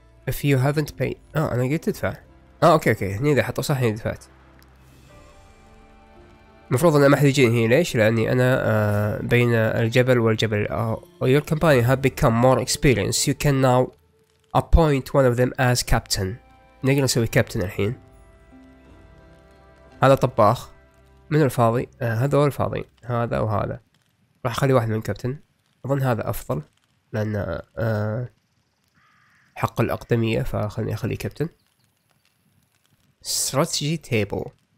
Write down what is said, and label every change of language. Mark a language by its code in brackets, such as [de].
[en] If you haven't paid، [ar] انا قلت تدفع. اوكي هني اذا حطوا صح هني دفعت. مفروض ان ما حد يجيني هنا، ليش؟ لاني انا بين الجبل والجبل. [en] Your companion have become more experienced. You can now appoint one of them as captain. [ar] نقدر نسوي كابتن الحين. هذا طباخ. من الفاضي؟ هذول الفاضيين، هذا وهذا. راح اخلي واحد من كابتن، اظن هذا افضل لان حق الاقدمية، فخلني اخلي كابتن. [en] Strategy table.